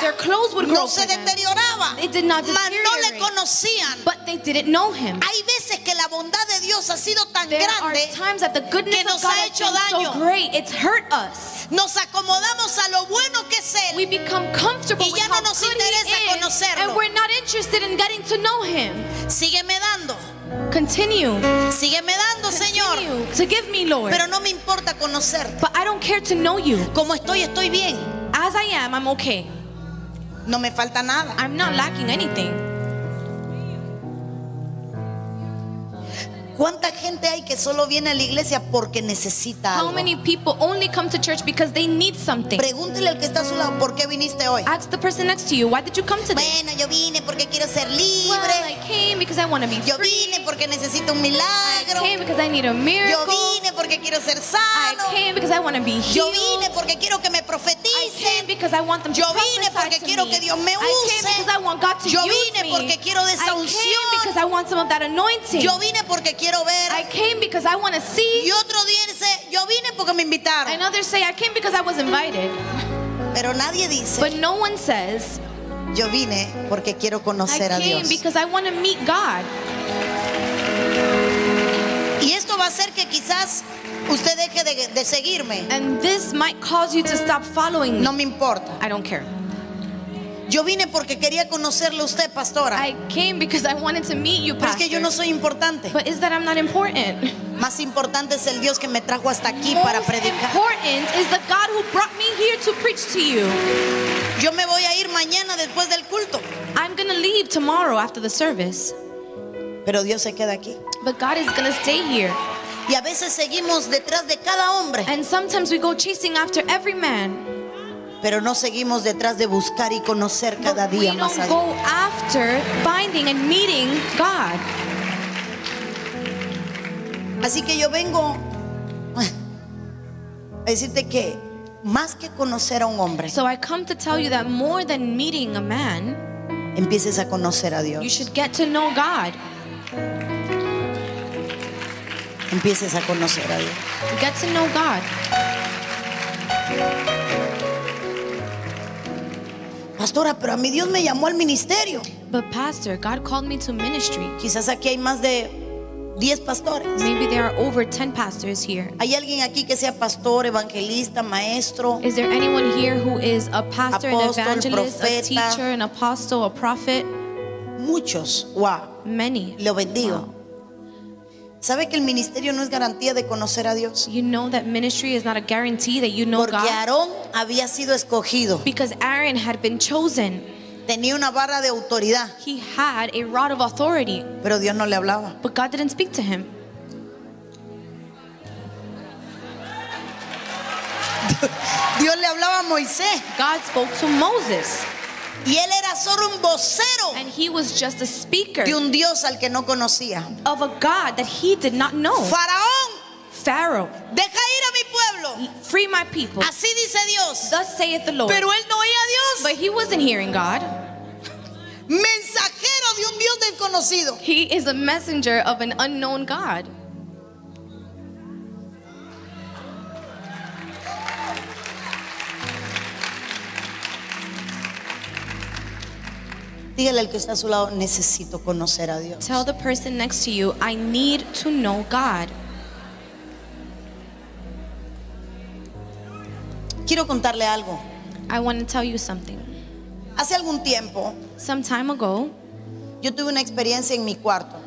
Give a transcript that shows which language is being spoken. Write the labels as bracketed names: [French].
[English] Their clothes would no grow. [Spanish] No se deterioraba. [English] It did not deteriorate. But they didn't know him. [Spanish] Hay veces que la bondad de Dios ha sido tan grande, [English] times that the goodness [Spanish] que nos ha hecho daño. [English] So great, it's hurt us. [Spanish] Nos acomodamos a lo bueno que es él. [English] We become comfortable [Spanish] y ya [English] with [Spanish] no nos interesa conocerlo. [English] And we're not interested in getting to know him. [Spanish] Sígueme dando. [English] Continue. [Spanish] Sígueme dando, Señor. [English] To give me, Lord. [Spanish] Pero no me importa conocerte. [English] But I don't care to know you. [Spanish] Como estoy, estoy bien. [English] As I am, I'm okay. [Spanish] No me falta nada. [English] I'm not lacking anything. [Spanish] ¿Cuánta gente hay que solo viene a la iglesia porque necesita algo? [English] How many people only come to church because they need something? [Spanish] Pregúntele al que está a su lado, ¿por qué viniste hoy? [English] Ask the person next to you, why did you come today? [Spanish] Bueno, yo vine porque quiero ser libre. [English] Well, I came because I want to be free. [Spanish] Yo vine porque necesito un milagro. [English] I came because I need a miracle. [Spanish] Yo vine porque quiero ser sano. [English] I came because I want to be healed. [Spanish] Yo vine porque quiero que me profetice. [English] I came because I want them to prophesy. [Spanish] Yo vine porque quiero que Dios me use. [English] I came because I want God to use me. [Spanish] Yo vine porque quiero de esa unción. [English] I came because I want some of that anointing. [Spanish] Yo vine porque quiero ver. [English] I came because I want to see. [Spanish] Y otro dice, yo vine porque me invitaron. [English] And others say, I came because I was invited. [Spanish] Pero nadie dice, [English] but no one says, [Spanish] yo vine porque quiero conocer a Dios. [English] I came because I want to meet God. [Spanish] Y esto va a hacer que quizás usted deje de seguirme. [English] And this might cause you to stop following me. [Spanish] No me importa. [English] I don't care. [Spanish] Yo vine porque quería conocerle a usted, pastora. [English] I came because I wanted to meet you, pastor. [Spanish] Es que yo no soy importante. [English] But is that I'm not important? [Spanish] Más importante es el Dios que me trajo hasta aquí para predicar. [English] Most important is the God who brought me here to preach to you. [Spanish] Yo me voy a ir mañana después del culto. [English] I'm going to leave tomorrow after the service. [Spanish] Pero Dios se queda aquí. [English] But God is going to stay here. [Spanish] Y a veces seguimos detrás de cada hombre. [English] And sometimes we go chasing after every man. [Spanish] Pero no seguimos detrás de buscar y conocer cada día más allá. [English] We don't go after finding and meeting God. [Spanish] Así que yo vengo a decirte que más que conocer a un hombre, [English] so I come to tell you that more than meeting a man, [Spanish] empieces a conocer a Dios. [English] You should get to know God. [Spanish] Empieces a conocer a Dios. [English] Get to know God. [Spanish] Pastora, pero a mí Dios me llamó al ministerio. [English] But pastor, God called me to ministry. [Spanish] Quizás aquí hay más de 10 pastores. [English] Maybe there are over 10 pastors here. [Spanish] ¿Hay alguien aquí que sea pastor, evangelista, maestro? [English] Is there anyone here who is a pastor, [Spanish] apóstol, [English] an evangelist, [Spanish] profeta, [English] a teacher, an apostle, a prophet? [Spanish] Muchos. Wow. [English] Many. [Spanish] Lo bendigo. Wow. ¿Sabe que el ministerio no es garantía de conocer a Dios? [English] You know that ministry is not a guarantee that you know [Spanish] Porque [English] God. [Spanish] Porque Aarón había sido escogido. [English] Because Aaron had been chosen. [Spanish] Tenía una barra de autoridad. [English] He had a rod of authority. [Spanish] Pero Dios no le hablaba. [English] But God didn't speak to him. [Spanish] Dios le hablaba a Moisés. [English] God spoke to Moses. [Spanish] Y él era solo un vocero. [English] And he was just a speaker. [Spanish] De un Dios al que no conocía. [English] Of a God that he did not know. [Spanish] Faraón. [English] Pharaoh. [Spanish] Deja ir a mi pueblo. [English] Free my people. [Spanish] Así dice Dios. [English] Thus saith the Lord. [Spanish] Pero él no oía a Dios. [English] But he wasn't hearing God. [Spanish] Mensajero de un Dios desconocido. [English] He is a messenger of an unknown God. [Spanish] Dígale al que está a su lado, necesito conocer a Dios. [English] Tell the person next to you, I need to know God. [Spanish] Quiero contarle algo. [English] I want to tell you something. [Spanish] Hace algún tiempo, [English] some time ago, [Spanish] yo tuve una experiencia en mi cuarto.